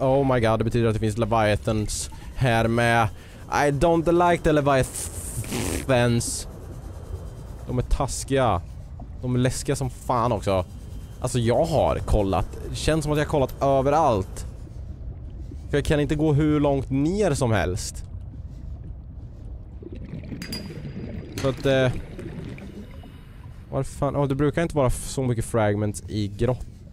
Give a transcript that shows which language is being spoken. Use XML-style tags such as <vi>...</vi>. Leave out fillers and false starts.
<en>Oh my god,</en> <sv>det betyder att det finns Leviathans här med.</sv> <en>I don't like the Leviathans.</en> <sv>De är taskiga. De är läskiga som fan också. Alltså jag har kollat. Det känns som att jag har kollat överallt. För jag kan inte gå hur långt ner som helst. Så att vad fan? Oh, det brukar inte vara så mycket fragments i grott.</sv>